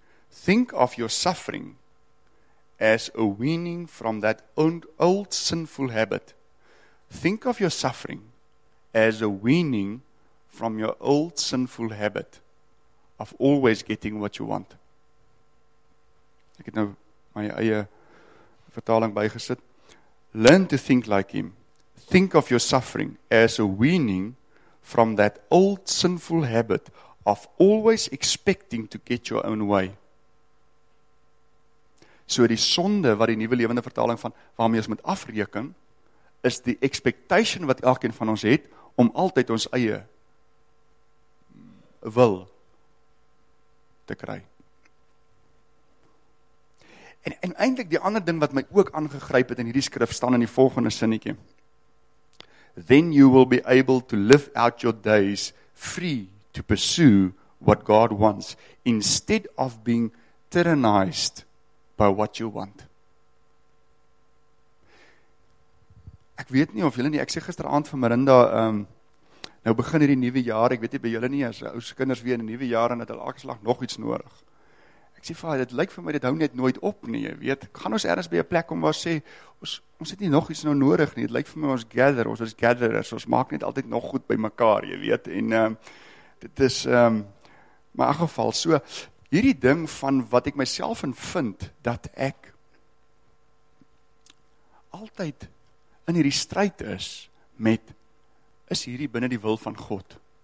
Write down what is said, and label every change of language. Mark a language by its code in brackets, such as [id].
[en] Think of your suffering as a weaning from that old sinful habit. Think of your suffering as a weaning from your old sinful habit of always getting what you want. [af] Ek het nou my eie vertaling bygesit. [en] Learn to think like him. Think of your suffering as a weaning from that old sinful habit of always expecting to get your own way. [af] So die sonde wat die nuwe lewende vertaling van waarmee ons moet afreken, is die expectation wat elkeen van ons het om altyd ons eie wil te kry. En eintlik die ander ding wat my ook aangegryp het in hierdie skrif staan in die volgende sinnetjie. [en] Then you will be able to live out your days free to pursue what God wants instead of being tyrannized by what you want. [af] Ek weet nie of julle nie, ek sê gisteraand vir Marinda, nou begin hierdie nuwe jaar, ek weet nie by julle nie, as ou se kinders weer in 'n nuwe jaar en het hulle elke slag nog iets nodig. Ek sê vir, dit lyk vir my, dit hou net nooit op nie, jy weet, gaan ons ergens by 'n plek om waar sê, ons het nie nog iets nou nodig nie, het lyk vir my ons gather, ons is gatherers, ons maak net altyd nog goed by mekaar, jy weet, en dit is, my geval, so, hierdie ding van wat ek myself in vind, dat ek altyd in hierdie stryd is met, is hierdie binne die wil van God?